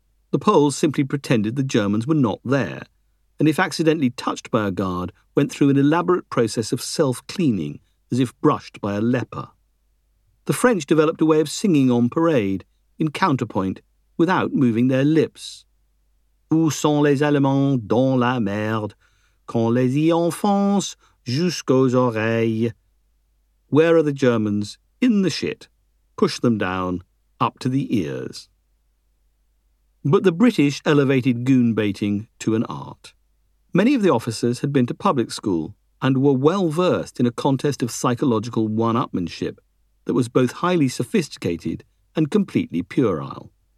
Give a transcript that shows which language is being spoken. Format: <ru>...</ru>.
<en>The Poles simply pretended the Germans were not there, and if accidentally touched by a guard, went through an elaborate process of self-cleaning, as if brushed by a leper. The French developed a way of singing on parade, in counterpoint, without moving their lips.</en> <fr>Où sont les Allemands dans la merde, quand les y enfonce jusqu'aux oreilles?</fr> <en>Where are the Germans? In the shit. Push them down, up to the ears. But the British elevated goon baiting to an art. Many of the officers had been to public school and were well versed in a contest of psychological one-upmanship that was both highly sophisticated and completely puerile.</en>